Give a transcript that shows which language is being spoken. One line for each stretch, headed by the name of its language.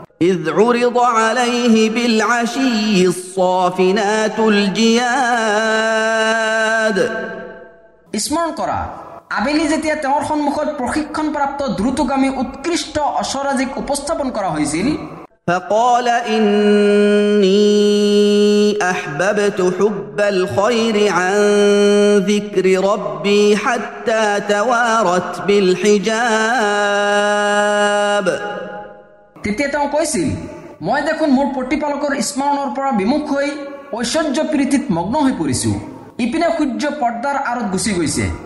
Arabic: إذ عرض عليه بالعشي الصافنات الجياد اسمان كرا
Assamese: আবেলি যেতিয়া তেওঁৰ সন্মুখত প্ৰশিক্ষণ প্ৰাপ্ত দ্ৰুতগামী উৎকৃষ্ট অশ্বৰাজিক উপস্থাপন কৰা হৈছিল
Arabic: فقال إني أحببت حب الخير عن ذكر ربي حتى توارت بالحجاب
Assamese: তেতিয়া তেওঁ কৈছিল মই দেখোন মোৰ প্ৰতিপালকৰ স্মৰণৰ পৰা বিমুখ হৈ ঐশ্বৰ্য প্ৰীতিত মগ্ন হৈ পৰিছো ইপিনে সূৰ্য পৰ্দাৰ আঁৰত গুচি গৈছে